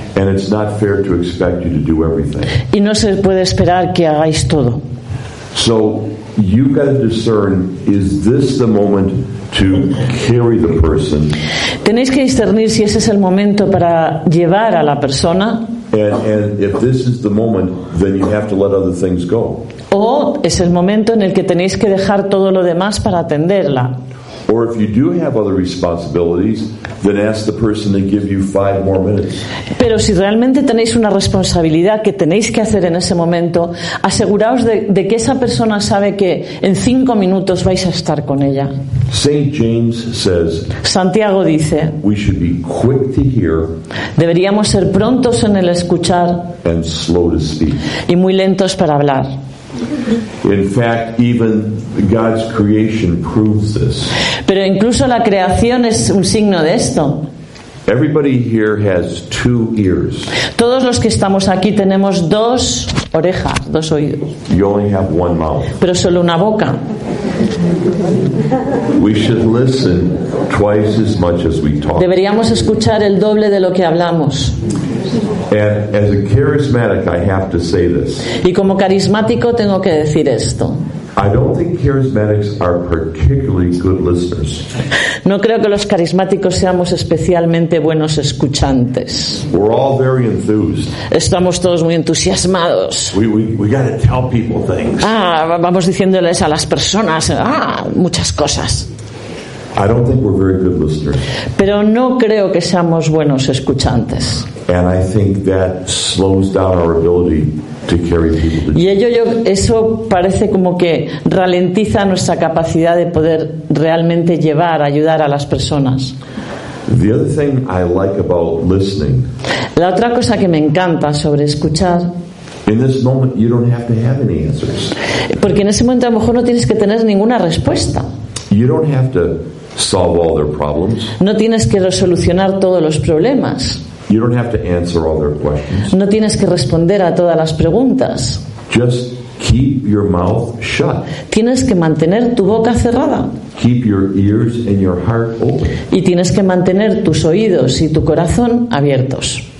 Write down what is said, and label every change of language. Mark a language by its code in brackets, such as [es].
[en] And it's not fair to expect you to do everything. [es] Y no se puede esperar que hagáis todo. [en] So you've got to discern, is this the moment to carry the person? [es] Tenéis que discernir si ese es el momento para llevar a la persona. [en] And if this is the moment, then you have to let other things go. [es] O es el momento en el que tenéis que dejar todo lo demás para atenderla. [en] Or if you do have other responsibilities, then ask the person to give you 5 more minutes. [es] Pero si realmente tenéis una responsabilidad que tenéis que hacer en ese momento, aseguraos de que esa persona sabe que en 5 minutos vais a estar con ella. [en] Saint James says, [es] Santiago dice, [en] we should be quick to hear, [es] deberíamos ser prontos en el escuchar, [en] and slow to speak, [es] y muy lentos para hablar. [en] In fact, even God's creation proves this. [es] Pero incluso la creación es un signo de esto. [en] Everybody here has 2 ears. [es] Todos los que estamos aquí tenemos 2 orejas, 2 oídos. [en] You only have 1 mouth. [es] Pero solo una boca. [en] We should listen twice as much as we talk. [es] Deberíamos escuchar el doble de lo que hablamos. [en] And as a charismatic, I have to say this. [es] Y como carismático tengo que decir esto. [en] I don't think charismatics are particularly good listeners. [es] No creo que los carismáticos seamos especialmente buenos escuchantes. [en] We're all very enthused. [es] Estamos todos muy entusiasmados. [en] We got to tell people things. [es] Ah, vamos diciéndoles a las personas muchas cosas. [en] I don't think we're very good listeners. [es] Pero no creo que seamos buenos escuchantes. [en] And I think that slows down our ability to carry people to Jesus. [es] Y eso parece como que ralentiza nuestra capacidad de poder realmente llevar, ayudar a las personas. [en] The other thing I like about listening. [es] La otra cosa que me encanta sobre escuchar. [en] In this moment, you don't have to have any answers. [es] Porque en ese momento a lo mejor no tienes que tener ninguna respuesta. [en] You don't have to solve all their problems. [es] No tienes que resolucionar todos los problemas. [en] You don't have to answer all their questions. [es] No tienes que responder a todas las preguntas. [en] Just keep your mouth shut. [es] Tienes que mantener tu boca cerrada. [en] Keep your ears and your heart open. [es] Y tienes que mantener tus oídos y tu corazón abiertos.